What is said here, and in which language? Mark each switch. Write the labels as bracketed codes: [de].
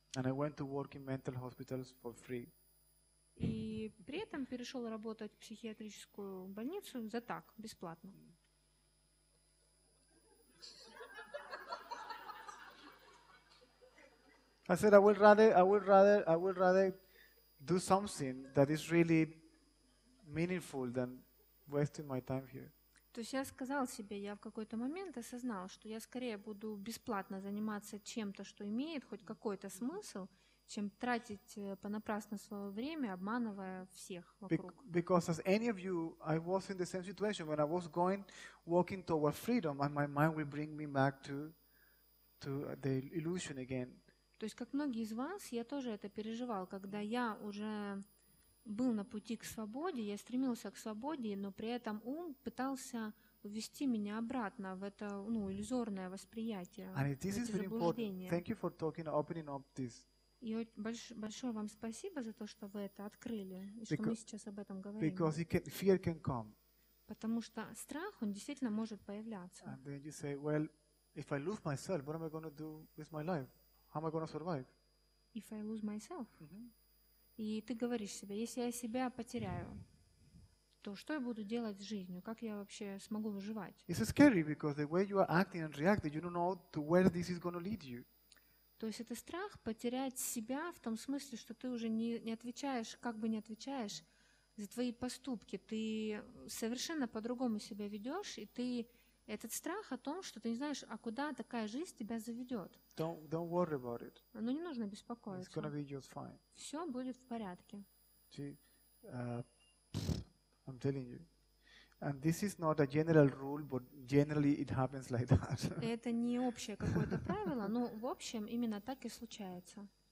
[en] And I went to work in mental hospitals for free. [ru] И при этом перешел работать в психиатрическую больницу за так, бесплатно. [en] I said I would rather do something that is really meaningful than wasting my time here. [ru] То есть я сказал себе, я в какой-то момент осознал, что я скорее буду бесплатно заниматься чем-то, что имеет хоть какой-то смысл, чем тратить понапрасну свое время, обманывая всех вокруг. [en] Because as any of you, I was in the same situation when I was going walking toward freedom, and my mind will bring me back to the illusion again. [ru] То есть, как многие из вас, я тоже это переживал, когда я уже был на пути к свободе, я стремился к свободе, но при этом ум пытался увести меня обратно в это, ну, иллюзорное восприятие, [en] and this is very important. Thank you for talking, opening up this. [ru] И большое вам спасибо за то, что вы это открыли, и что мы сейчас об этом говорим. [en] Because fear can come. [ru] Потому что страх, он действительно может появляться. [en] And then you say, well, if I lose myself, what am I going to do with my life? How am I going to survive? If I lose myself? Mm-hmm. [ru] И ты говоришь себе, если я себя потеряю, то что я буду делать с жизнью? Как я вообще смогу выживать? [en] It's scary because the way you are acting and reacting, you don't know to where this is going to lead you. [ru] То есть это страх потерять себя в том смысле, что ты уже не отвечаешь, как бы не отвечаешь за твои поступки. Ты совершенно по-другому себя ведешь, и ты этот страх о том, что ты не знаешь, а куда такая жизнь тебя заведет. [en] Don't worry about it. [ru] Ну, не нужно беспокоиться. [en] It's gonna be just fine. [ru] Все будет в порядке. [en] See, I'm telling you. And this is not a general rule, but generally it happens like that. [ru] Это не общее какое-то правило, но в общем именно так и случается.